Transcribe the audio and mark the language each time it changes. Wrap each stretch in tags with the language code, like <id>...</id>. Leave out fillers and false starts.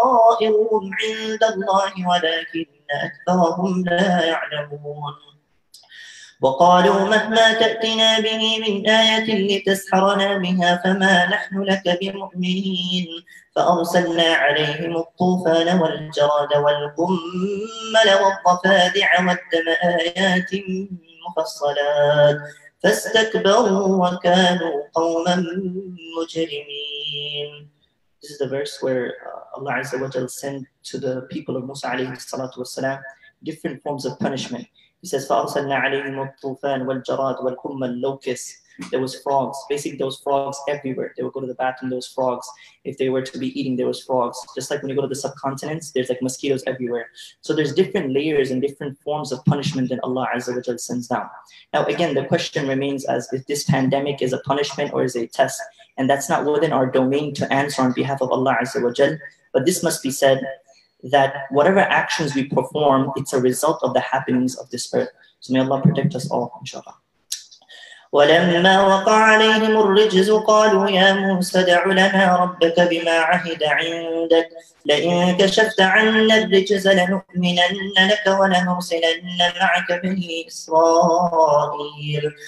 <ar>طائرهم عند الله ولكن أكثرهم لا يعلمون وقالوا مهما تأتنا به من آية لتسحرنا بها فما نحن لك بمؤمنين فأرسلنا عليهم الطوفان والجراد والقمل والضفادع والدم آيات مفصلات فاستكبروا وكانوا قوما مجرمين.</ar> <en>This is the verse where Allah Azza wa Jal sent to the people of Musa</en> <ar>alayhi salatu wasalam</ar> <en>different forms of punishment. He says,</en> <ar>فَأَرْسَلْنَا عَلَيْهِمُ الطُّوفَانَ وَالْجَرَادَ وَالْقُمَّ الْلَوْكِسِ.</ar> <en>There was frogs. Basically, there was frogs everywhere. They would go to the bathroom, there was frogs. If they were to be eating, there was frogs. Just like when you go to the subcontinents, there's like mosquitoes everywhere. So there's different layers and different forms of punishment that Allah Azza wa Jal sends down. Now, again, the question remains as if this pandemic is a punishment or is a test. And that's not within our domain to answer on behalf of Allah Azza wa Jal. But this must be said, that whatever actions we perform, it's a result of the happenings of this earth. So may Allah protect us all, inshallah.</en> <ar>وَلَمَّا وَقَعَ عَلَيْهِمُ الرِّجْزُ قَالُوا يَا مُوسَى دَعُ لَنَا رَبَّكَ بِمَا عَهِدَ عِنْدَكَ لَإِنْ كَشَفْتَ عَنَّا الرِّجْزَ لَنُؤْمِنَنَّ لَكَ وَلَنُرْسِلَنَّ مَعَكَ بَنِي إِسْرَائِيلَ</ar>